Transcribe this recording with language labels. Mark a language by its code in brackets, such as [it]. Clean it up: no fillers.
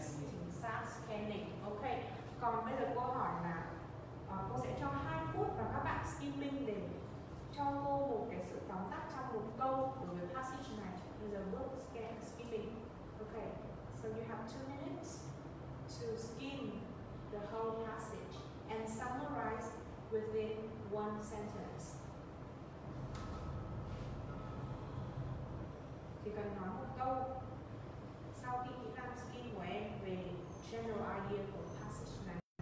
[vi] Chính xác, scanning. Ok. Còn bây giờ cô hỏi là cô sẽ cho 2 phút và các bạn skimming để cho cô một cái sự tóm tắt trong một câu của cái passage này. Bây giờ bước scan skimming. Ok. [en] So you have 2 minutes to skim the whole passage and summarize within one sentence. [vi] Thì cần nói một câu sau khi kỹ năng skim của em về [en] general idea [vi] của passage này.